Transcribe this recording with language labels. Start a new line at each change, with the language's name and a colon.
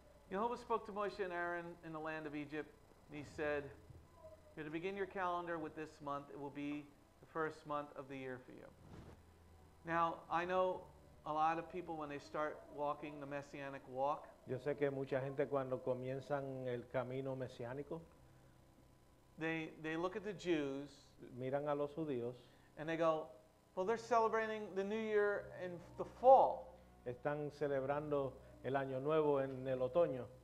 English: Yehovah spoke to Moshe and Aaron in the land of Egypt, and he said, you're to begin your calendar with this month. It will be the first month of the year for you. Now, I know a lot of people, when they start walking the Messianic walk,
Spanish: yo sé que mucha gente cuando comienzan el camino mesiánico,
English: they look at the Jews,
Spanish: miran a los judíos,
English: and they go, well, they're celebrating the new year in the fall.
Spanish: Están celebrando el año nuevo en el otoño.